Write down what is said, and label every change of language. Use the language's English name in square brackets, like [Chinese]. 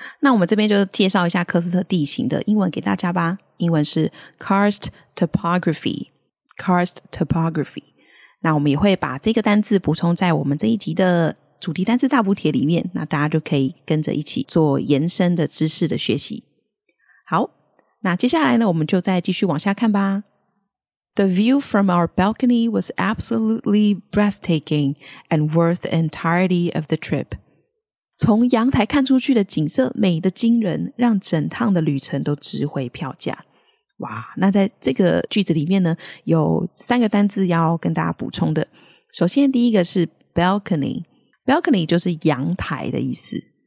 [Chinese] 那我们这边就介绍一下科斯特地形的英文给大家吧，英文是 Karst Topography， Karst Topography。那我们也会把这个单字补充在我们这一集的主题单字大补帖里面，那大家就可以跟着一起做延伸的知识的学习。好，那接下来呢我们就再继续往下看吧。 [English] The view from our balcony was absolutely breathtaking and worth the entirety of the trip. [Chinese] 从阳台看出去的景色美得惊人，让整趟的旅程都值回票价。哇，那在这个句子里面呢有三个单字要跟大家补充的。首先第一个是 balcony， balcony 就是阳台的意思。